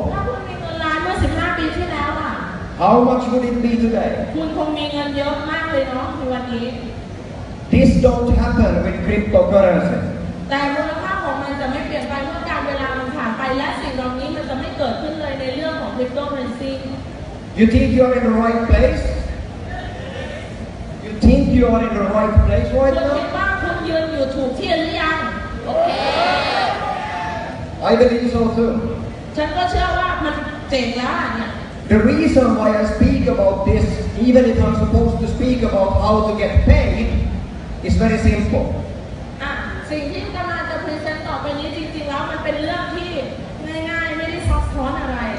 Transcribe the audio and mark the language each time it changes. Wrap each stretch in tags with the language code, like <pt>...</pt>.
<th>ถ้าคุณมีเงินล้านเมื่อ15ปีที่แล้วอ่ะ</th> <en>How much would it be today</en> <th>คุณคงมีเงินเยอะมากเลยเนาะในวันนี้</th> <en>This don't happen with cryptocurrency</en> <th>แต่มูลค่าของมันจะไม่เปลี่ยนไปเมื่อการเวลามันผ่านไปและสิ่งเหล่านี้มันจะไม่เกิดขึ้นเลยในเรื่องของคริปโตเคอเรนซี</th> <en>You think you're in the right placeYou think you are in the right place right now?</en> <th>คิดว่าคุณยืนอยู่ถูกที่หรือยังโอเค</th> <en>I believe so too.</en> <th>ฉันก็เชื่อว่ามันเจ๋งแล้วเนี่ย</th> <en>The reason why I speak about this, even if I'm supposed to speak about how to get paid, is very simple.</en> <th>สิ่งที่กำลังจะพรีเซนต์ต่อไปนี้จริงๆแล้วมันเป็นเรื่องที่ง่ายๆไม่ได้ซับซ้อนอะไร</th>